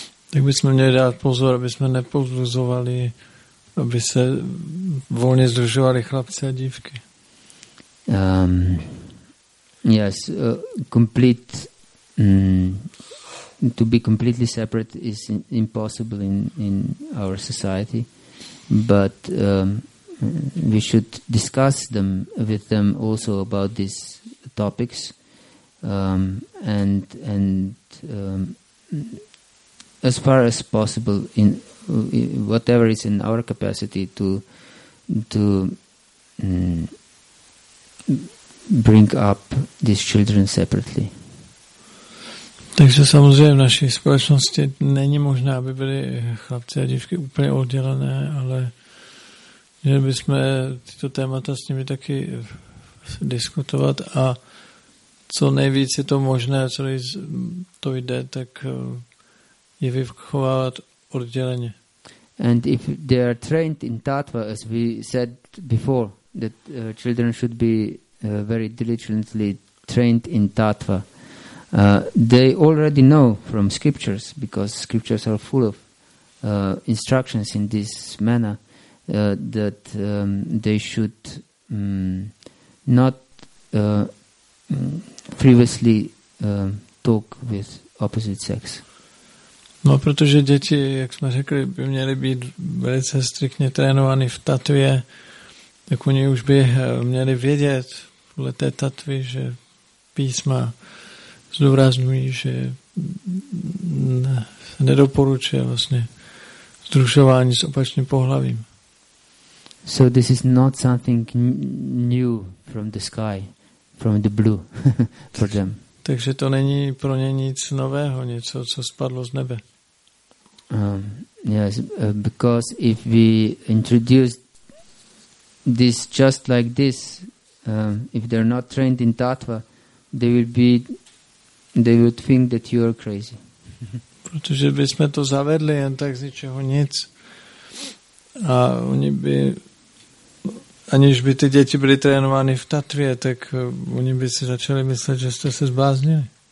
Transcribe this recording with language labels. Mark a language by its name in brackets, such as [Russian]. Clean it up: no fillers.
[Czech] Tak bychom měli dát pozor, aby jsme nepozluzovali, aby se volně združovali chlapci a dívky. [English] Yes, to be completely separate is impossible in our society, but we should discuss them with them also about this topics and as far as possible in whatever is in our capacity to bring up these children separately. [Czech] Takže samozřejmě v naší společnosti není možné, aby byli chlapci a dívky úplně oddělené, ale měli bychom tyto témata s nimi taky diskutovat a co nejvíc je to možné, co to jde, tak je vychovávat odděleně. [English] And if they are trained in tattva, as we said before, that children should be very diligently trained in tattva, they already know from scriptures, because scriptures are full of instructions in this manner, that they should not previously talk with opposite sex. [Czech] No, protože děti, jak jsme řekli, by měly být velice striktně trénovány v tatvě, tak oni už by měli vědět podle té tatvy, že písma zdůrazňují, že nedoporučuje vlastně združování s opačným pohlavím. [English] So this is not something new from the sky, from the blue for them. [Czech] Takže to není pro ně nic nového, něco, co spadlo z nebe. [English] Yes, because if we introduce this just like this, if they're not trained in tattva, they would think that you are crazy. [Czech] Protože bychom to zavedli jen tak z ničeho nic. A oni by, aniž by ty děti byly trénovány v tatvě, tak oni by si začali myslet, že jste se zbláznili.